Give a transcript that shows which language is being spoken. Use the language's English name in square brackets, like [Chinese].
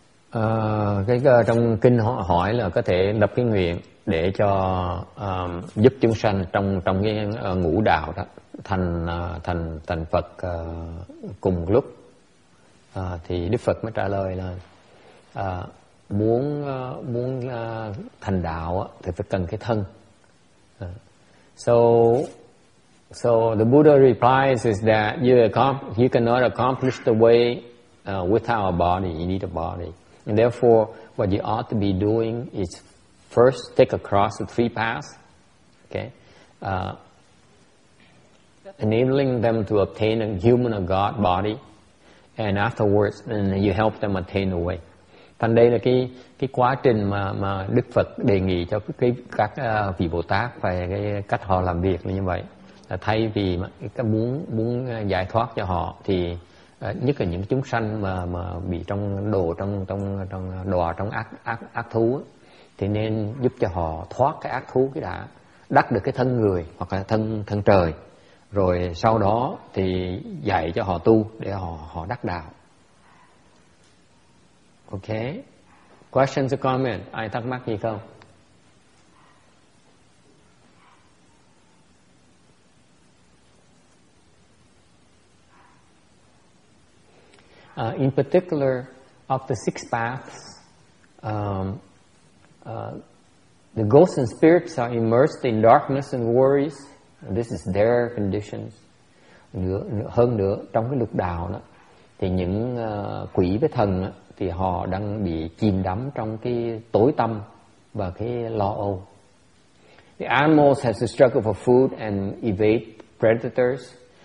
[Vietnamese] Trong kinh họ hỏi là có thể lập cái nguyện để cho giúp chúng sanh trong cái ngũ đạo đó thành Phật cùng lúc. Thì Đức Phật mới trả lời là muốn thành đạo thì phải cần cái thân. [English] So the Buddha replies is that you cannot accomplish the way without a body. You need a body. And therefore, what you ought to be doing is first take across the three paths, okay, enabling them to obtain a human or God body. And afterwards, then you help them attain the way. [Vietnamese] Thành đây là cái quá trình mà Đức Phật đề nghị cho các vị Bồ Tát về cái cách họ làm việc như vậy. Thay vì muốn giải thoát cho họ thì nhất là những chúng sanh mà bị trong ác thú thì nên giúp cho họ thoát cái ác thú cái đã, đắc được cái thân người hoặc là thân trời. Rồi sau đó thì dạy cho họ tu để họ đắc đạo. [English] Ok. Questions or comments? [Vietnamese] Ai thắc mắc gì không? [English] In particular, of the six paths, the ghosts and spirits are immersed in darkness and worries. This is their conditions. [Vietnamese] Hơn nữa, trong cái lục đạo đó, thì những quỷ với thần đó, thì họ đang bị chìm đắm trong cái tối tâm và cái lo âu. [English] The animals have to struggle for food and evade predators.